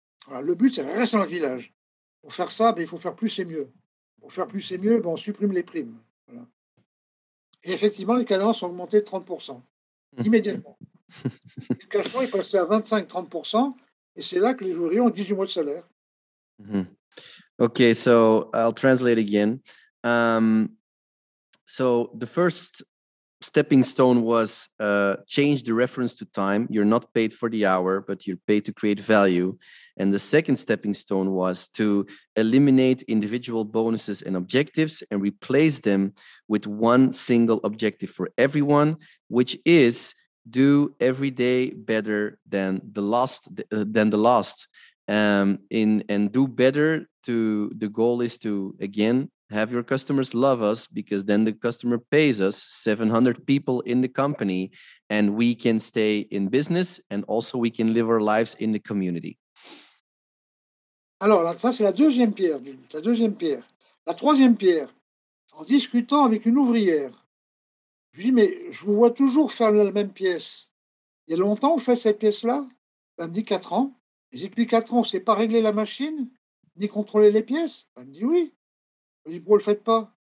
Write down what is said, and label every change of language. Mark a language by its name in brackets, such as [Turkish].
[French] Voilà, le but, c'est rester dans le village. Pour faire ça, ben, il faut faire plus et mieux. Pour faire plus et mieux, ben, on supprime les primes. Voilà. Et effectivement, les cadences ont augmenté de 30% immédiatement. Le cash flow est passé à 25-30%, et c'est là que les ouvriers ont 18 mois de salaire. Mm-hmm. [English] OK, so I'll translate again. So the first stepping stone was change the reference to time. You're not paid for the hour, but you're paid to create value. And the second stepping stone was to eliminate individual bonuses and objectives and replace them with one single objective for everyone, which is do every day better than the last. And do better to the goal is to, again, have your customers love us, because then the customer pays us 700 people in the company and we can stay in business and also we can live our lives in the community. [French] Alors, ça, c'est la deuxième pierre. La deuxième pierre. La troisième pierre, en discutant avec une ouvrière, je lui dis, mais je vous vois toujours faire la même pièce. Il y a longtemps, vous faites cette pièce-là? Elle me dit, 4 ans. Et depuis 4 ans, on ne sait pas régler la machine ni contrôler les pièces? Elle me dit, oui. Je dis, pourquoi le faites pas?